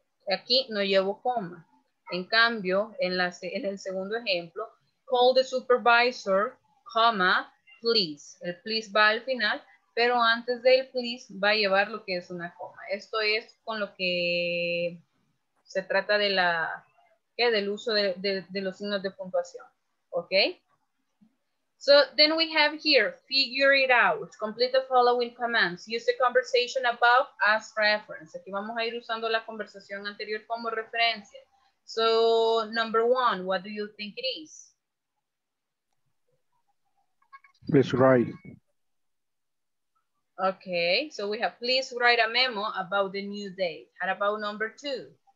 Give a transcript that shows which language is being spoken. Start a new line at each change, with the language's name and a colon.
Spanish: Aquí no llevo coma. En cambio, en el segundo ejemplo,
English: call the supervisor, comma, please.
Spanish: El please va al final, pero antes del please va a llevar lo que es una coma. Esto es con lo que se trata de la, ¿qué? Del uso de los signos de puntuación. ¿Ok?
English: So then we have here, figure it out, complete the following commands, use the conversation above as reference.
Spanish: Aquí vamos a ir usando la conversación anterior como referencia.
English: So number one, what do you think it is? Please write. Okay, so we have, please write a memo about the new date. How about number two?